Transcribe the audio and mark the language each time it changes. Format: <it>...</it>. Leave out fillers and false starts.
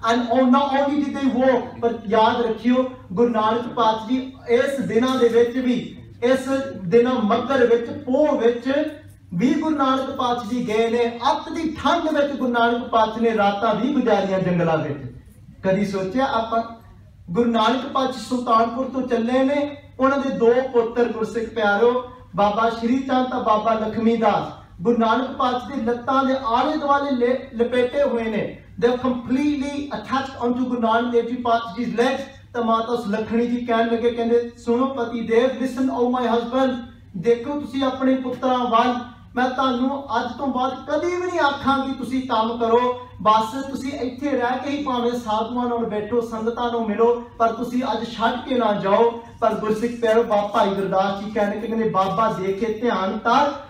<en>And not only did they walk, but</en> <pa>ਯਾਦ ਰੱਖਿਓ, ਗੁਰੂ ਨਾਨਕ ਪਾਤ ਜੀ, ਇਸ ਦਿਨਾਂ ਦੇ ਵਿਚ ਵੀ, ਇਸ ਦਿਨਾਂ ਮੱਘਰ ਵਿਚ, ਪੋਹ ਵਿਚ, ਵੀ ਗੁਰੂ ਨਾਨਕ ਪਾਤ ਜੀ ਗਏ ਨੇ, ਅੱਤ ਦੀ ਠੰਡ ਵਿਚ ਗੁਰੂ ਨਾਨਕ ਪਾਤ ਨੇ ਰਾਤਾਂ ਵੀ ਗੁਜ਼ਾਰੀਆਂ ਜੰਗਲਾਂ ਵਿਚ. ਕਦੀ ਸੋਚਿਆ ਆਪ, ਗੁਰੂ ਨਾਨਕ ਪਾਤ ਜੀ ਸੁਲਤਾਨਪੁਰ ਤੋ ਚੱਲੇ ਨੇ, ਉਨ੍ਹਾਂ ਦੇ ਦੋ ਪੁੱਤਰ ਗੁਰਸਿੱਖ ਪਿਆਰੋ, ਬਾਬਾ ਸ਼੍ਰੀ ਚੰਟ, ਬਾਬਾ ਲਖਮੀ ਦਾਸ, ਗੁਰੂ ਨਾਨਕ ਪਾਤ ਜੀ ਲੱਤਾਂ ਦੇ ਆਲੇ ਦੁਆਲੇ ਲਪੇਟੇ ਹੋਏ ਨੇ.</pa> <en>They are completely attached onto Guru Nanak Dev Ji Patshah's legs. The Mata Lakhani Ji can look at it.</en> <pa>ਸੁਣੋ ਪਤੀ ਦੇਵ,</pa> <en>listen, oh my husband.</en> <pa>ਦੇਖੋ ਤੁਸੀ ਆਪਣੇ ਪੁੱਤਰਾ ਵੱਲ. ਮੈਂ ਤੁਹਾਨੂੰ ਅੱਜ ਤੋਂ ਬਾਅਦ ਕਦੀ ਵੀ ਨਹੀ ਆਂਖਾਂ ਕਿ ਤੁਸੀ ਕੰਮ ਕਰੋ. ਬਸ ਤੁਸੀ ਇੱਥੇ ਰਹਿ ਕੇ ਹੀ ਪਾਵੇ ਸਾਧੂਆਂ ਨਾਲ ਬੈਠੋ ਸੰਗਤਾਂ ਨੂੰ ਮਿਲੋ. ਪਰ ਤੁਸੀ ਅੱਜ ਛੱਡ ਕੇ ਨਾ ਜਾਓ. ਪਰ ਗੁਰਸਿੱਖ ਪਿਆਰੋ ਬਾਬਾ ਗੁਰਦਾਸ ਜੀ ਕਹਿਣੇ ਕੇ ਕਹਿਣੇ ਬਾਬਾ ਦੇਖੇ ਧਿਆਨ ਤਰ.</pa>